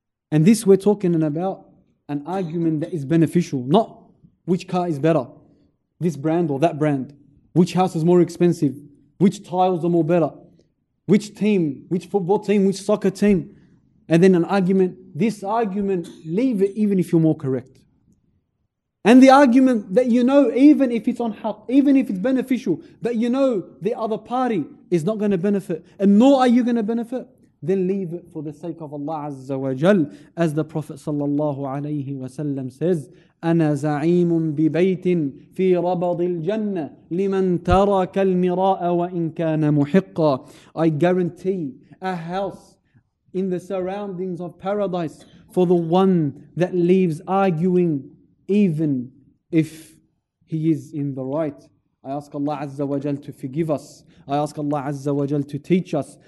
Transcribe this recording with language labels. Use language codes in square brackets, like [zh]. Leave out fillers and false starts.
[en] And this we're talking about an argument that is beneficial, not which car is better, this brand or that brand, which house is more expensive, which tiles are more better, which team, which football team, which soccer team, and then an argument, this argument, leave it even if you're more correct. And the argument that you know, even if it's on haq, even if it's beneficial, that you know the other party is not going to benefit, and nor are you going to benefit, then leave it for the sake of Allah Azza wa Jal. As the Prophet sallallahu alayhi wa sallam says, [ar] أنا زعيم ببيت في ربض الجنة لمن ترك المراء وإن كان محقا. [en] I guarantee a house in the surroundings of paradise for the one that leaves arguing even if he is in the right. I ask Allah Azza wa Jal to forgive us. I ask Allah Azza wa Jal to teach us.